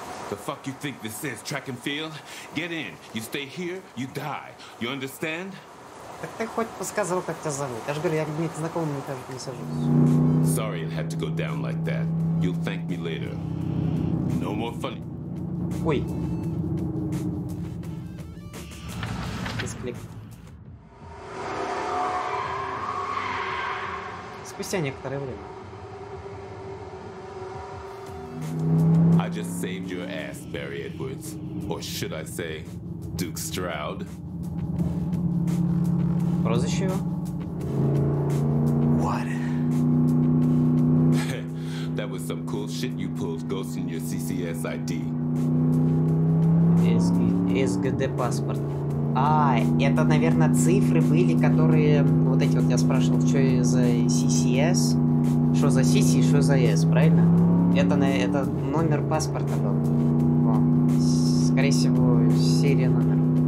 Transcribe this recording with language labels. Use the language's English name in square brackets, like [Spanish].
[English] The fuck you think this is, track and field? Get in. You stay here, you die. You understand? [Russian] Так ты хоть подсказал, как тебя зовут. Я же говорю, я не знакомый, мне кажется, не сажусь. [English] Sorry it had to go down like that. You'll thank me later. No more funny. [Russian] Ой. Спустя некоторое время. [English] I just saved your ass, Barry Edwards. Or should I say, Duke Stroud? [Russian] Прозвище его? [English] What? That was some cool shit you pulled ghost in your CCS ID. [Russian] SGD паспорт. А, это, наверное, цифры были, которые... Вот эти вот я спрашивал, что за CCS? Что за CC, что за S, правильно? Это номер паспорта был. О, скорее всего, серия номер.